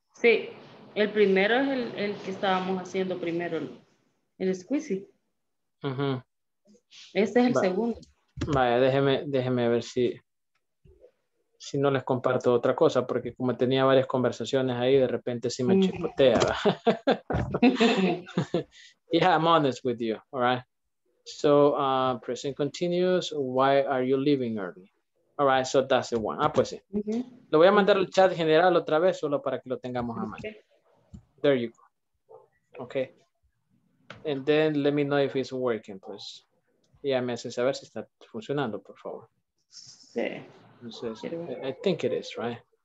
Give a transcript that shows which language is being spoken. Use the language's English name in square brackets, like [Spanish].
[Spanish] Sí, el primero es el que estábamos haciendo primero, el squeezy. Uh-huh. Este es el segundo. Vaya, déjeme ver si... si no les comparto otra cosa, porque como tenía varias conversaciones ahí, de repente sí me chispotea. [English] Yeah, I'm honest with you, all right? So, present continuous, why are you leaving early? All right, so that's the one. [Spanish] Ah, pues sí. [English] Mm-hmm. [Spanish] Lo voy a mandar al chat general otra vez, solo para que lo tengamos a mano. [English] There you go. Okay. And then let me know if it's working, pues. [Spanish] Ya me hacen saber si está funcionando, por favor. Sí. Entonces, [English] I think it is, right?